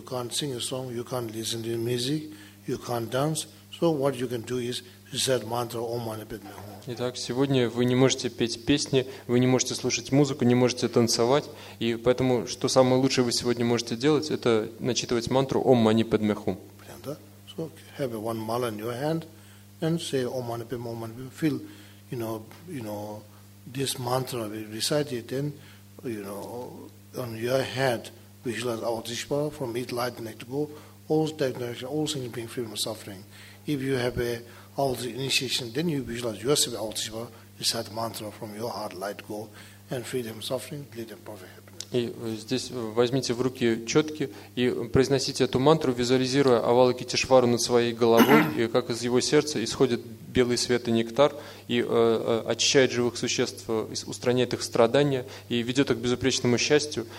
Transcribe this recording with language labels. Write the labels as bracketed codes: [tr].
[en] Sing a song, you can't listen to music, you can't dance. So what you can do is recite mantra Om Mani Padme Hum. [ru] Итак, сегодня вы не можете петь песни, вы не можете слушать музыку, не можете танцевать, и поэтому что самое лучшее вы сегодня можете делать, это начитывать мантру Om Mani Padme Hum. [en] So have one mala in your hand and say Om Mani Padme Hum. Feel, you know, this mantra, recite it, then, you know, on your head. Visualize our Tishpa from it, light and nectar, all stagnation, all things being free from suffering. If you have an initiation, then you visualize yourself our Tishpa, recite the mantra from your heart, light, go, and freedom from suffering, lead and perfect happiness. [ru] И здесь возьмите в руки четки и произносите эту мантру, визуализируя Авалокитешвару над своей головой, и как из его сердца исходит белый свет и нектар, и очищает живых существ, устраняет их страдания и ведет их к безупречному счастью.